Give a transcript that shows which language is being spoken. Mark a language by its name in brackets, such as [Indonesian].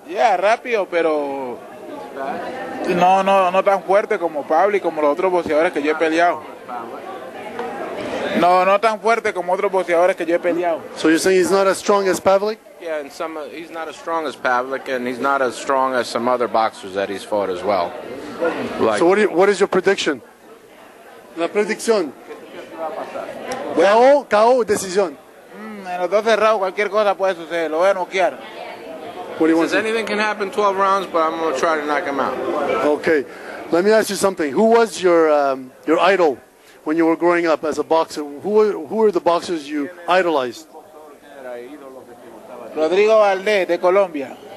[Spanish] Yeah, rápido, pero no tan fuerte como Pavlik, como los otros boxeadores que yo he peleado. No tan fuerte como otros boxeadores que yo he peleado. [English] So you're saying he's not as strong as Pavlik? Yeah, and he's not as strong as Pavlik, and he's not as strong as some other boxers that he's fought as well. Like, so what is your prediction? [Spanish] La predicción. KO, KO, decisión. En los 12 rounds cualquier cosa puede suceder, lo voy a noquear. [English] Says anything can happen 12 rounds, but I'm going to try to knock him out. Okay, let me ask you something. Who was your idol when you were growing up as a boxer? Who were the boxers you idolized? Rodrigo Valdez de Colombia.